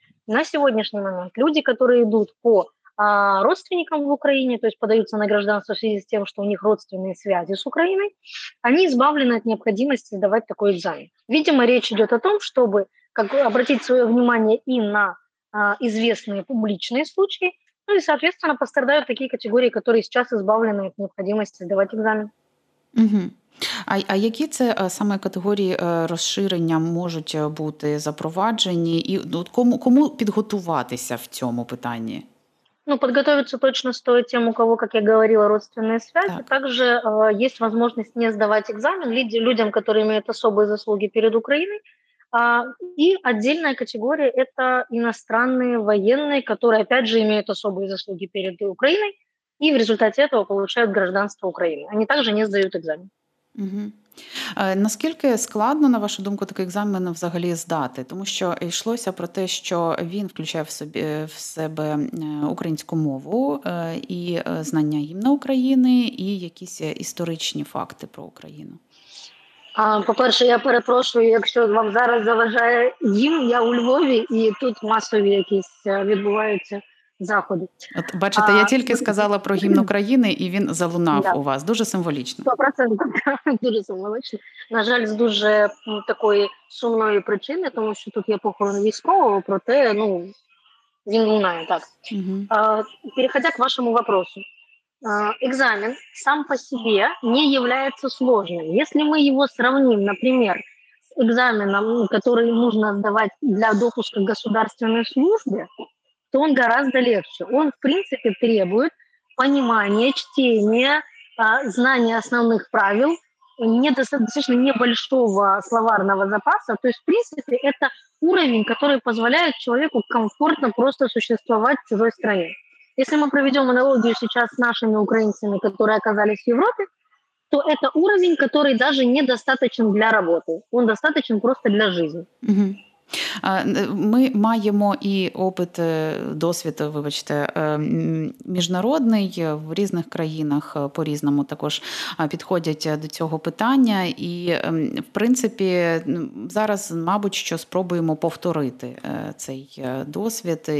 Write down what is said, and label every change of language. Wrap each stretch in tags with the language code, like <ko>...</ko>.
<ru>На сегодняшний момент люди, которые идут по родственникам в Украине, то есть подаются на гражданство в связи с тем, что у них родственные связи с Украиной, они избавлены от необходимости сдавать такой экзамен. Видимо, речь идет о том, чтобы обратить свое внимание и на известные публичные случаи, и, соответственно, пострадают такие категории, которые сейчас избавлены от необходимости сдавать экзамен. Угу.</ru> <uk>А які це саме категорії розширення можуть бути запроваджені? І кому підготуватися в цьому питанні?</uk> <ru>Подготовиться точно стоит тем, у кого, как я говорила, родственные связи. Так. Также есть возможность не сдавать экзамен людям, которые имеют особые заслуги перед Украиной. И отдельная категория – это иностранные военные, которые, опять же, имеют особые заслуги перед Украиной и в результате этого получают гражданство Украины. Они также не сдают экзамен. Угу.</ru> <uk>Наскільки складно, на вашу думку, такий екзамен взагалі здати? Тому що йшлося про те, що він включає в себе українську мову і знання гімна України, і якісь історичні факти про Україну. По-перше, я перепрошую, якщо вам зараз заважає гімн, я у Львові, і тут масові якісь відбуваються заходи. От, бачите, я тільки сказала про гімн України, і він залунав у вас. Дуже символічно. 100% дуже символічно. На жаль, з дуже такої сумної причини, тому що тут є похорон військового, проте він лунає, так.</uk> <ru>Переходя к вашому вопросу. Экзамен сам по себе не является сложным. Если мы его сравним, например, с экзаменом, который нужно сдавать для допуска к государственной службе, то он гораздо легче. Он, в принципе, требует понимания, чтения, знания основных правил, достаточно небольшого словарного запаса. То есть, в принципе, это уровень, который позволяет человеку комфортно просто существовать в чужой стране. Если мы проведем аналогию сейчас с нашими украинцами, которые оказались в Европе, то это уровень, который даже недостаточен для работы. Он достаточен просто для жизни. Угу.</ru> <uk>Ми маємо і опыт, досвід, вибачте, міжнародний. В різних країнах по-різному також підходять до цього питання. І, в принципі, зараз, мабуть, що спробуємо повторити цей досвід.</uk>